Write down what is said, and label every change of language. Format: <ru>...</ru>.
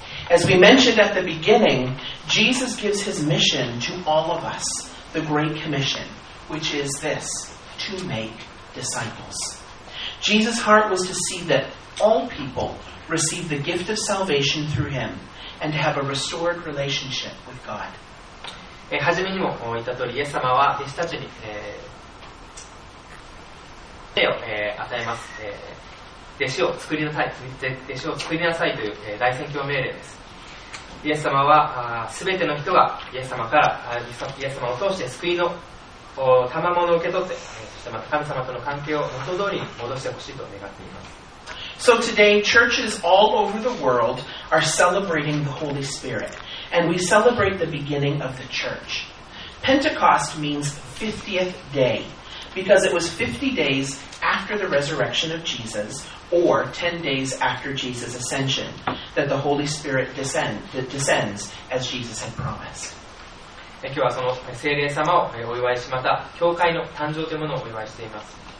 <en>As we mentioned at the beginning, Jesus gives his mission to all of us, the Great Commission, which is this, to make disciples. Jesus' heart was to see that all people receive the gift of salvation through him and have a restored relationship with God.</en> <ja>を作りなさいという大宣教命令です。イエス様は全ての人がイエス様からイエス様を通して救いの賜物を受け取って、そしてまた神様との関係を元通りに戻してほしいと願っています。</ja> <en>So today churches all over the world are celebrating the Holy Spirit, and we celebrate the beginning of the church. Pentecost means 50th day because it was 50 days after the resurrection of JesusOr 10 days after Jesus' ascension, that the Holy Spirit descends as Jesus had promised.</en> <ja>今日はその聖霊様をお祝いし、また教会の誕生というものをお祝いしています。</ja>